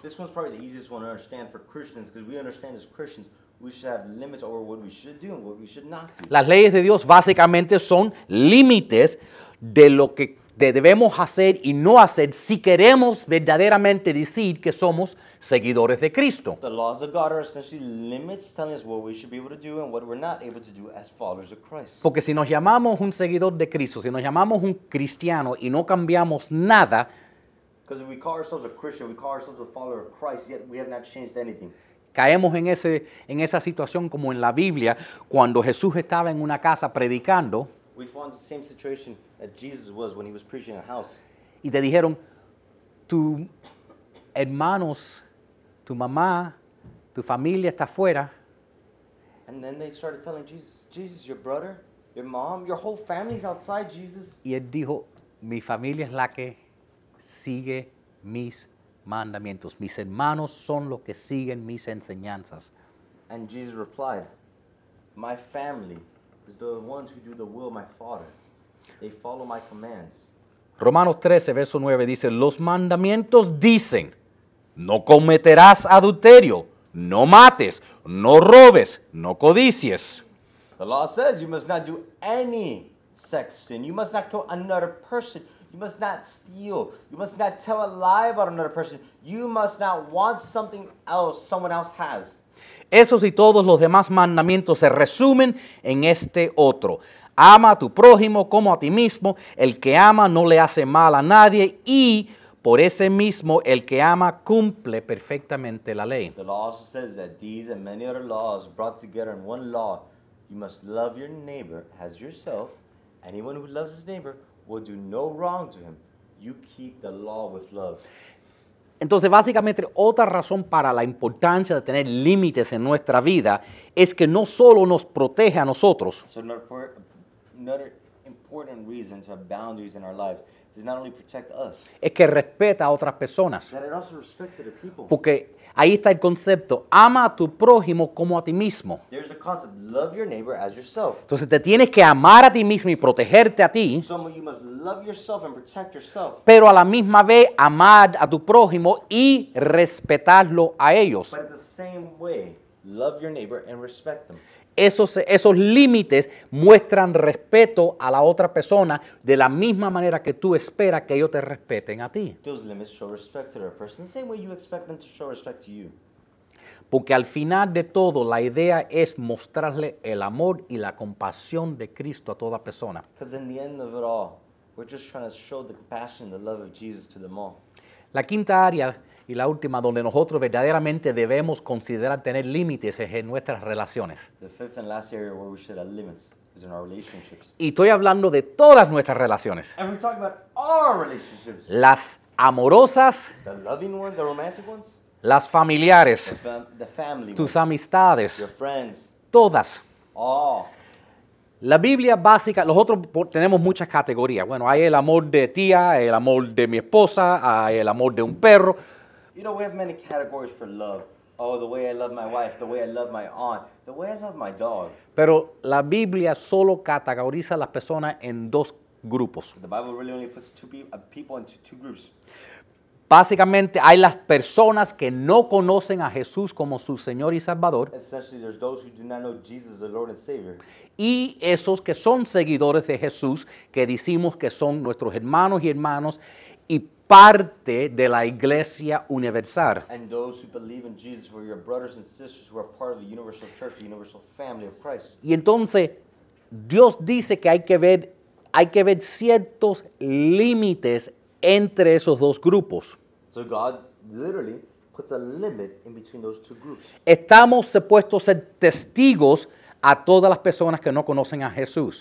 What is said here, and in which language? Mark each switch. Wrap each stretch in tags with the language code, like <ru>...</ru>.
<en>This one's probably the easiest one to understand for Christians, because we understand as Christians, we should have limits over what we should do and what we should not do.</en> <es>Las leyes de Dios básicamente son límites de lo que debemos hacer y no hacer si queremos verdaderamente decir que somos seguidores de Cristo.</es> <en>The laws of God are essentially limits telling us what we should be able to do and what we're not able to do as followers of Christ.</en> <es>Porque si nos llamamos un seguidor de Cristo, si nos llamamos un cristiano y no cambiamos nada,</es> <en>because if we call ourselves a Christian, we call ourselves a follower of Christ, yet we have not changed anything.</en> <es>Caemos en ese, en esa situación como en la Biblia, cuando Jesús estaba en una casa predicando.</es> <en>We found the same situation that Jesus was when he was preaching in a house.</en> <es>Y te dijeron, tu hermanos, tu mamá, tu familia está afuera.</es> <en>And then they started telling Jesus, Jesus, your brother, your mom, your whole family's outside, Jesus.</en> <es>Y él dijo, mi familia es la que sigue mis mandamientos. Mis hermanos son los que siguen mis enseñanzas.</es> <en>And Jesus replied, my family is the ones who do the will of my Father. They follow my commands.</en> <es>Romanos 13, verso 9 dice, los mandamientos dicen, no cometerás adulterio, no mates, no robes, no codicies.</es> <en>The law says you must not do any sex sin. You must not kill another person. You must not steal. You must not tell a lie about another person. You must not want something else someone else has.</en> <es>Esos y todos los demás mandamientos se resumen en este otro. Ama a tu prójimo como a ti mismo. El que ama no le hace mal a nadie. Y por ese mismo, el que ama cumple perfectamente la ley.</es> <en>The law also says that these and many other laws brought together in one law. You must love your neighbor as yourself. Anyone who loves his neighbor will do no wrong to him. You keep the law with love.</en> <es>Entonces, básicamente, otra razón para la importancia de tener límites en nuestra vida es que no solo nos protege a nosotros.</es> <en>So another important reason to have boundaries in our lives is not only protect us.</en> <es>Es que respeta a otras personas.</es> <en>That it also respects other people.</en> <es>Porque ahí está el concepto, ama a tu prójimo como a ti mismo.</es> <en>There's the concept, love your neighbor as yourself.</en> <es>Entonces, te tienes que amar a ti mismo y protegerte a ti.</es> <en>So you must love yourself and protect yourself.</en> <es>Pero a la misma vez, amar a tu prójimo y respetarlo a ellos.</es> <en>But in the same way, love your neighbor and respect them.</en> <es>Esos límites muestran respeto a la otra persona de la misma manera que tú esperas que ellos te respeten a ti.</es> <en>Those limits show respect to their person the same way you expect them to show respect to you.</en> <es>Porque al final de todo, la idea es mostrarle el amor y la compasión de Cristo a toda persona.</es> <en>Because in the end of it all, we're just trying to show the compassion and the love of Jesus to them all.</en> <es>La quinta área y la última donde nosotros verdaderamente debemos considerar tener límites es en nuestras relaciones.</es> <en>The fifth and last area where we should have limits is in our relationships.</en> <es>Y estoy hablando de todas nuestras relaciones.</es> <en>And we're talking about our relationships.</en> <es>Las amorosas.</es> <en>The loving ones, the romantic ones.</en> <es>Las familiares.</es> <en>The family</en> <es>tus Amistades.</es> <en>Your friends.</en> <es>Todas.</es> <en>All.</en> <es>La Biblia básica, nosotros tenemos muchas categorías. Bueno, hay el amor de tía, el amor de mi esposa, hay el amor de un perro.</es> <en>You know, we have many categories for love. Oh, the way I love my wife, the way I love my aunt, the way I love my dog.</en> <es>Pero la Biblia solo categoriza a las personas en dos grupos.</es> <en>The Bible really only puts two people into two groups.</en> <es>Básicamente, hay las personas que no conocen a Jesús como su Señor y Salvador.</es> <en>Essentially, there's those who do not know Jesus, the Lord and Savior.</en> <es>Y esos que son seguidores de Jesús, que decimos que son nuestros hermanos y hermanas, y parte de la Iglesia Universal.</es> <en>And those who believe in Jesus were your brothers and sisters who are part of the universal church, the universal family of Christ.</en> <es>Y entonces, Dios dice que hay que ver ciertos límites entre esos dos grupos.</es> <en>So God literally puts a limit in between those two groups.</en> <es>Estamos supuestos ser testigos a todas las personas que no conocen a Jesús.</es>